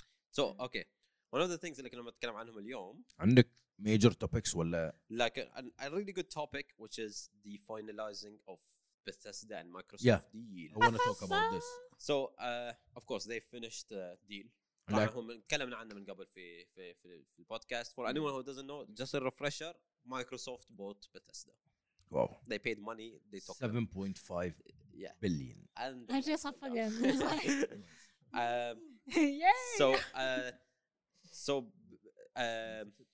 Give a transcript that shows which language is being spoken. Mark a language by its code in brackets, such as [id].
[en] So okay, one of the things that we're going to talk about today. Major topics, ولا like a really good topic, which is the finalizing of Bethesda and Microsoft deal. I want to talk about this. So, of course, they finished the deal. [ar] تكلمنا عنه من قبل في في في البودكاست. [en] For anyone who doesn't know, just a refresher: Microsoft bought Bethesda. Wow. They paid money. They took 7.5 billion. And I just up again.